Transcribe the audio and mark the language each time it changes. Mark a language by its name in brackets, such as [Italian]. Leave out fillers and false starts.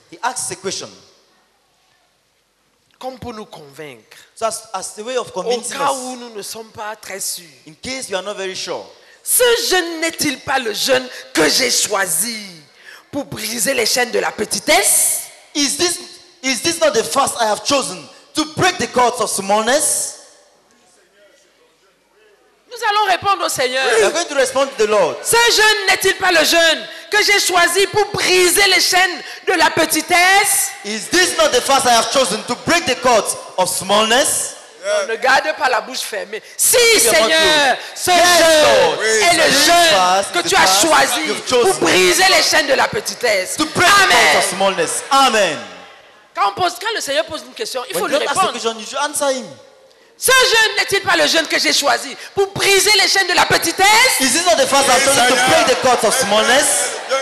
[English] He asks a question. [French] Comme pour nous convaincre. [English] So as the way of convincing us. [French] Au cas [English] us, [French] où nous ne sommes pas très sûrs. [English] In case you are not very sure. [French] Ce jeûne n'est-il pas le jeûne que j'ai choisi pour briser les chaînes de la petitesse? [English] Is this not the fast I have chosen to break the cords of smallness? [French] Nous allons répondre au Seigneur. [English] We are going to respond to the Lord. [French] Ce jeûne n'est-il pas le jeûne que j'ai choisi pour briser les chaînes de la petitesse? [English] Is this not the fast I have chosen to break the cords of smallness? [French] Yeah. Ne garde pas la bouche fermée. Si, Seigneur, ce jeûne est le jeûne que tu as choisi pour briser les chaînes de la petitesse. [English] To break the cords of smallness. Amen. [French] Quand le Seigneur pose une question, il faut lui répondre. [English] When God asks a question, you should answer him. [French] Ce jeûne n'est-il pas le jeûne que j'ai choisi pour briser les chaînes de la petitesse? [English] Is it not the fast I have chosen to break the cords of smallness?